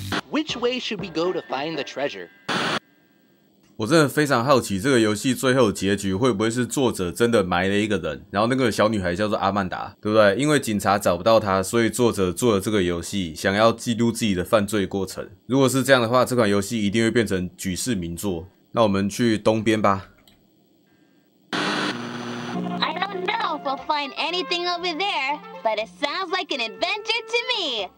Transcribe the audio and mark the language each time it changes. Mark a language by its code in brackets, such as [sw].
[en] Which way should we go to find the treasure? [zh] 我真的非常好奇，这个游戏最后结局会不会是作者真的埋了一个人，然后那个小女孩叫做阿曼达，对不对？因为警察找不到她，所以作者做了这个游戏，想要记录自己的犯罪过程。如果是这样的话，这款游戏一定会变成举世名作。那我们去东边吧。 [en] I don't know if we'll find anything over there, but it sounds like an adventure to me.